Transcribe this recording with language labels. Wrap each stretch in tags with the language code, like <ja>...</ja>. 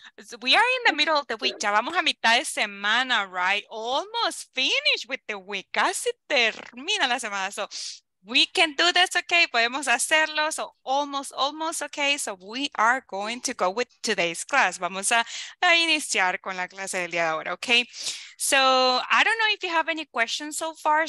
<en>So we are in the middle of the week.</en> <es>Ya vamos a mitad de semana,</es> <en>right? Almost finished with the week.</en> <es>Casi termina la semana.</es> <en>So... we can do this, okay?</en> <es>Podemos hacerlo.</es> <en>So almost, okay? So we are going to go with today's class.</en> <es>Vamos a iniciar con la clase del día de ahora, okay?</es> <en>So I don't know if you have any questions so far.</en>